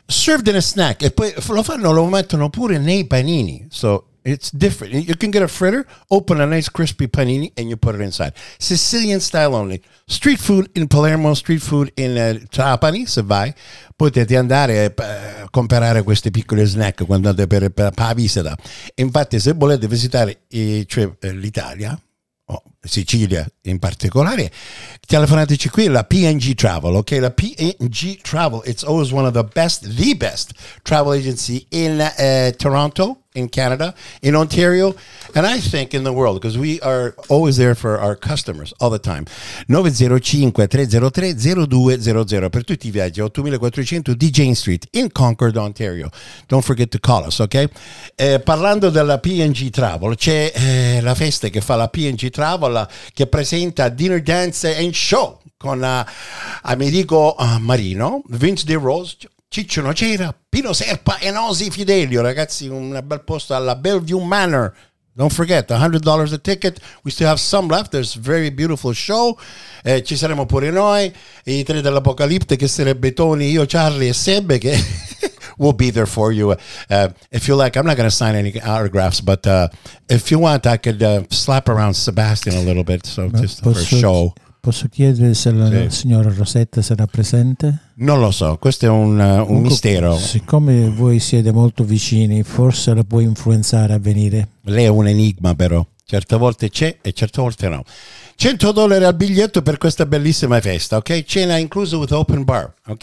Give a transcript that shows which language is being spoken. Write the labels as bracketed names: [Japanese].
[English] Served in a snack [Italian] e poi lo fanno, lo mettono pure nei panini. [English] So it's different. You can get a fritter, open a nice crispy panini and you put it inside. Sicilian style only. Street food in Palermo, street food in Trapani, [Italian] se vai. Potete andare a comprare questi piccoli snack quando andate per la visita. Infatti, se volete visitare cioè, l'Italia, o Sicilia in particolare, telefonateci qui alla PNG Travel, ok? [English] La PNG Travel, it's always one of the best travel agency in Toronto, in Canada, in Ontario, and I think in the world, because we are always there for our customers, all the time. [Italian] 905-303-0200 per tutti i viaggi, 8400 D. [English] Jane Street, in Concord, Ontario. Don't forget to call us, ok? [Italian] Parlando della PNG Travel, c'è la festa che fa la PNG Travel, che presenta Dinner, Dance and Show con Amerigo Marino, Vince De Rose, Ciccio Nocera, Pino Serpa e Nosi Fidelio, ragazzi, un bel posto alla Bellevue Manor. [English] Don't forget, $100 a ticket. We still have some left. There's a very beautiful show. [Italian] Ci saremo pure noi, i tre dell'Apocalipte, che sarebbe Tony, io, Charlie e Sebbe, che [English] we'll be there for you. If you like, I'm not going to sign any autographs, but if you want, I could slap around Sebastian a little bit, so just for a show. [Italian] Posso chiedere se la signora Rosetta sarà presente? Non lo so, questo è un mistero. Siccome voi siete molto vicini, forse la puoi influenzare a venire. Lei è un enigma però, certe volte c'è e certe volte no. $100 al biglietto per questa bellissima festa, ok? Cena inclusa [English] with open bar, [Italian] ok?